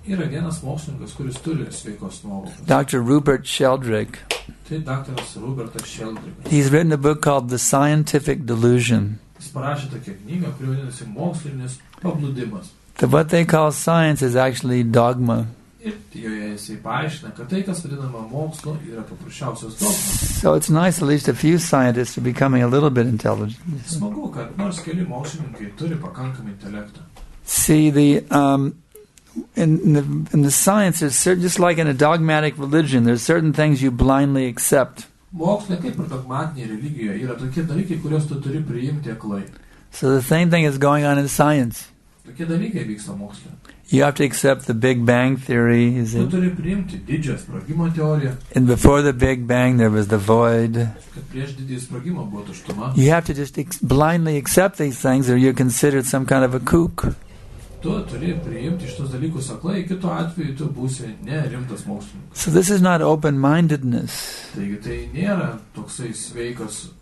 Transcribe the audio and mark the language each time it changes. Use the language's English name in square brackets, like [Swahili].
[Lithuanian] Yra vienas mokslininkas, kuris turi sveikos nuovokos. [English] Dr. Rupert Sheldrick. [Lithuanian] Tai daktaras Rupertas Sheldrick. [English] He's written a book called The Scientific Delusion. [Lithuanian] Jis parašė tokią knygą, kuri vadinasi Mokslinis Pabludimas. [English] That what they call science is actually dogma. [Lithuanian] Ir joje jisai paaiškina, kad tai, kas vadinama mokslo, yra paprasčiausios dogmos. [English] So it's nice at least a few scientists are becoming a little bit intelligent. [Lithuanian] Smagu, kad nors keli mokslininkai turi pakankamą intelektą. [English] See, in the science, there's just like in a dogmatic religion, there's certain things you blindly accept. [Lithuanian] Moksle, kaip ir dogmatinėje religijoje, yra tokie dalykai, kuriuos tu turi priimti aklai. [English] So the same thing is going on in science. [Lithuanian] Tokie dalykai vyksta moksle. [English] You have to accept the Big Bang theory, is it? [Lithuanian] Tu turi priimti didžią sprogimo teoriją. [English] And before the Big Bang, there was the void. [Lithuanian] Kad prieš didįjį sprogimą buvo tuštuma. [English] You have to just blindly accept these things, or you're considered some kind of a kook. [Lithuanian] Tu turi priimti šitos dalykus aklai, kitu atveju tu būsi nerimtas mokslininkas. [English] So this is not open-mindedness. [Lithuanian] Taigi tai nėra toksai sveikas.